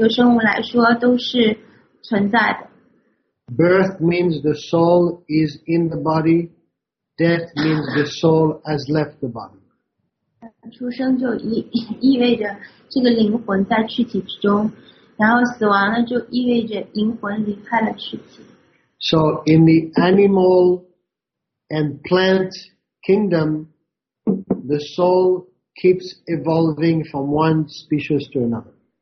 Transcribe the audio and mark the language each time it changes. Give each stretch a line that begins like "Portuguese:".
Chinese: 这对所有的种族的这个生物来说都是存在的。
English: Birth means the soul is in the body. Death means the soul has left the body.
Chinese: 出生就意味着这个灵魂在躯体之中, 然后死亡呢就意味着灵魂离开了躯体。
English: So in the animal and plant kingdom, the soul keeps evolving from one species to another.